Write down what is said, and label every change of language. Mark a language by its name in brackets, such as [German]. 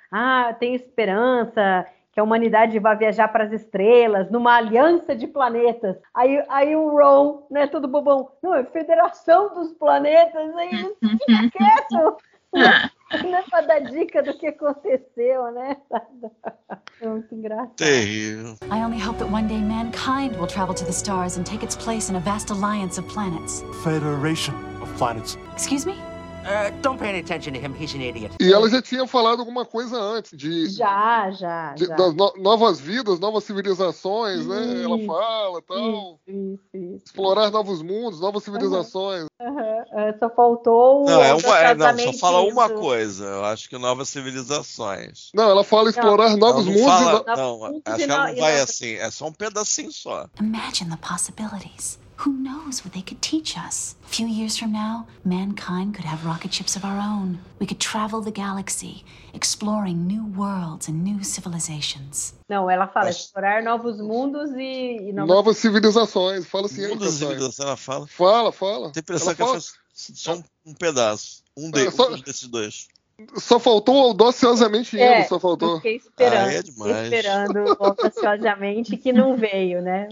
[Portuguese] Ah, tem esperança que a humanidade vá viajar para as estrelas, numa aliança de planetas. Aí o Ron, né, todo bobão. Não, é federação dos planetas. Aí eles ficam quietos. Não é pra dar dica do que aconteceu, né? É muito engraçado. Terrível. [English] I only hope that one day mankind will travel to the stars and take its place in a vast alliance of planets. Federation of planets. Excuse me? Don't pay any attention to him, he's an idiot. [Portuguese] E ela já tinha falado alguma coisa antes de... Já. De, das novas vidas, novas civilizações, né? Isso. Ela fala e tal. Isso. Explorar novos mundos, novas civilizações. Só faltou o... Só fala uma coisa, eu acho que novas civilizações. Não, ela fala explorar novos mundos. Não, acho que ela não vai assim, é só um pedacinho só. [English] Imagine the possibilities. Who knows what they could teach us? A few years from now, mankind could have rocket ships of our own. We could travel the galaxy, exploring new worlds and new civilizations. [Portuguese] Não, ela fala explorar novos mundos e novas civilizações. Fala assim, mundos e civilizações, ela fala. Fala. Tem impressão ela que fala. Ela só um pedaço. Um desses dois. Só faltou audaciosamente ele, só faltou. Fiquei esperando audaciosamente que não veio, né?